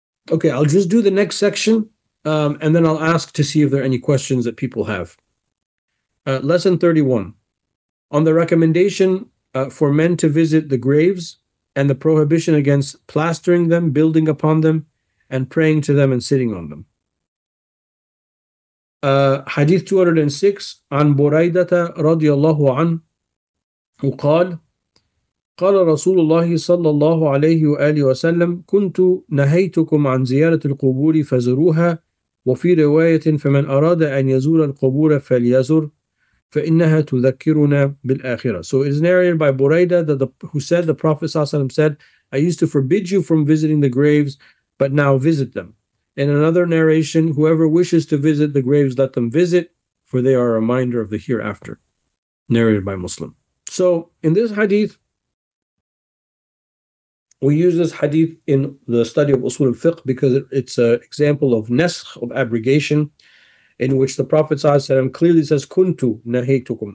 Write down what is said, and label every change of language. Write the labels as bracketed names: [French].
[English] Okay, I'll just do the next section, and then I'll ask to see if there are any questions that people have. Lesson 31. On the recommendation for men to visit the graves, and the prohibition against plastering them, building upon them, and praying to them and sitting on them. [Arabic] Hadith 206, عن بريدته رضي الله عنه وقال قال رسول الله صلى الله عليه وآله وسلم كنت نهيتكم عن زيارة القبور فزروها وفي رواية فمن أراد أن يزور القبور فليزر فإنها تذكرنا بالآخرة. [English] So it is narrated by Buraida who said the Prophet ﷺ said, I used to forbid you from visiting the graves, but now visit them. In another narration, whoever wishes to visit the graves, let them visit, for they are a reminder of the hereafter. Narrated by Muslim. So in this hadith, we use this hadith in the study of Usul al-Fiqh because it's an example of naskh, of abrogation, in which the Prophet ﷺ clearly says, Kuntu nahaytukum.